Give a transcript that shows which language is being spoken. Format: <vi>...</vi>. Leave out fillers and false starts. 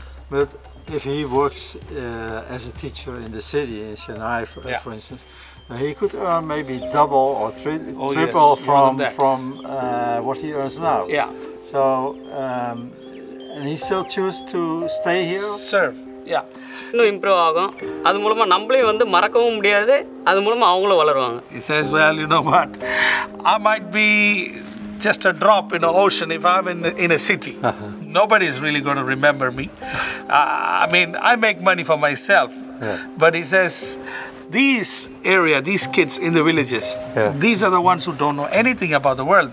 <en>But if he works as a teacher in the city, in Chennai, for instance, he could earn maybe double or triple from what he earns now. Yeah. So, and he still choose to stay here? Serve, yeah.</en> <ta>இன்னும் improve ஆகும். அது மூலமா நம்மளையும் வந்து மறக்கவும் முடியாது. அது மூலமா அவங்களும் வளருவாங்க.</ta> <en>He says, well, you know what? I might be just a drop in the ocean if I'm in a city. Nobody's really going to remember me. I mean, I make money for myself. Yeah. But he says, these kids in the villages, these are the ones who don't know anything about the world.</en>